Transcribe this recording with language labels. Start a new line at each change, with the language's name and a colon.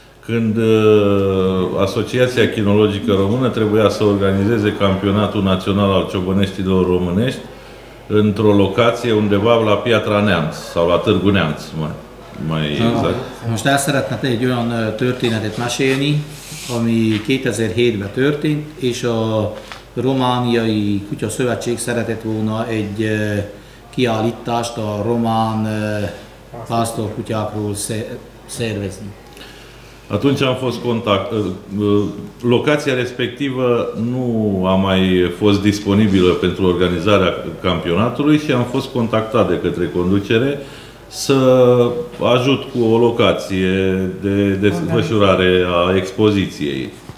Romanian: când Asociația Chinologică Română trebuia să organizeze campionatul național al ciobăneștilor românești într-o locație undeva la Piatra Neamț sau la Târgu Neamț, mai exact.
Hungarian: Most el szeretne egy olyan történetet mesélni, ami 2007-ben történt, és a Romániai Kutya Szövetség szeretett volna egy kiállítást a román pásztorkutyákról szervezni.
Romanian: Atunci am fost contact. Locația respectivă nu a mai fost disponibilă pentru organizarea campionatului și am fost contactat de către conducere să ajut cu o locație de desfășurare a expoziției.